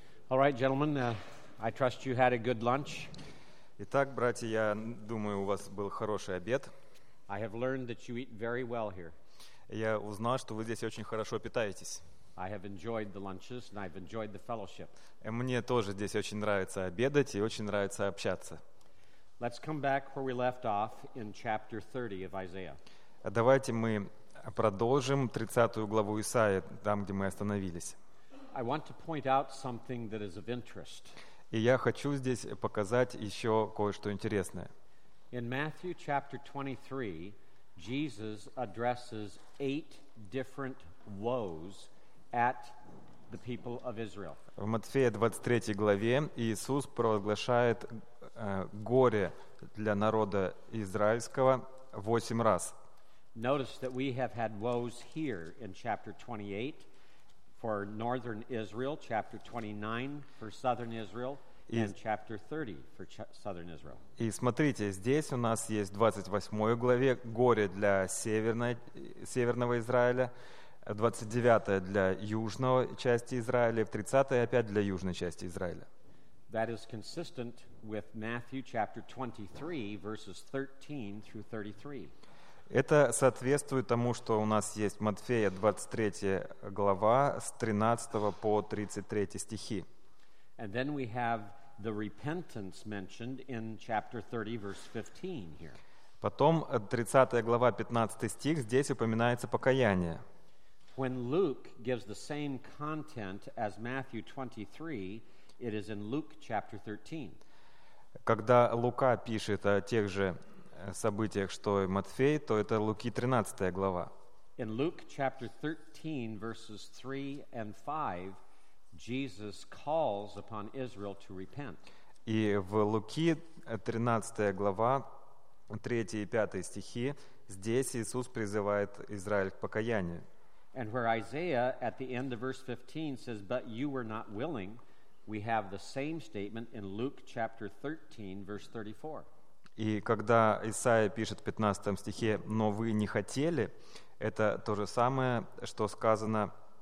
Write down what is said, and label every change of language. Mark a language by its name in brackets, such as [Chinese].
[English] All right, gentlemen, I trust you had a good lunch. [Russian] Итак, братья, я думаю, у вас был хороший обед. [English] I have learned that you eat very well here. [Russian] Я узнал, что вы здесь очень хорошо питаетесь. [English] I have enjoyed the lunches and I've enjoyed the fellowship. [Russian] Мне тоже здесь очень нравится обедать и очень нравится общаться. [English] Let's come back where we left off in chapter 30 of Isaiah. [Russian] Давайте мы продолжим 30 главу Исаии, там, где мы остановились. [English] I want to point out something that is of interest. [Russian] И я хочу здесь показать еще кое-что интересное. [English] In Matthew chapter 23, Jesus addresses 8 different woes at the people of Israel. [Russian] В Матфея 23 главе Иисус провозглашает горе для народа израильского 8 раз. [English] Notice that we have had woes here in chapter 28 for northern Israel, chapter 29 for southern Israel, and chapter 30 for southern Israel. [Russian] И смотрите, здесь у нас есть в 28 главе горе для северного Израиля, 29 для южной части Израиля, 30 опять для южной части Израиля. [English] That is consistent with Matthew chapter 23 verses 13 through 33. [Russian] Это соответствует тому, что у нас есть Матфея 23 глава с 13 по 33 стихи. [English] And then we have the repentance mentioned in chapter 30 verse 15 here. [Russian] Потом 30 глава 15 стих, здесь упоминается покаяние. [English] When Luke gives the same content as Matthew 23, it is in Luke chapter 13. [Russian] Когда Лука пишет о тех же событиях, что и Матфей, то это Луки 13 глава. [English] In Luke chapter 13 verses 3 and 5, Jesus calls upon Israel to repent. [Russian] И в Луки 13 глава 3 и 5 стихи здесь Иисус призывает Израиль к покаянию. [English] And where Isaiah at the end of verse 15 says, "But you were not willing," we have the same statement in Luke chapter 13 verse 34. [Russian] И когда Исаия пишет в 15 стихе, "Но вы не хотели," это то же самое, что сказано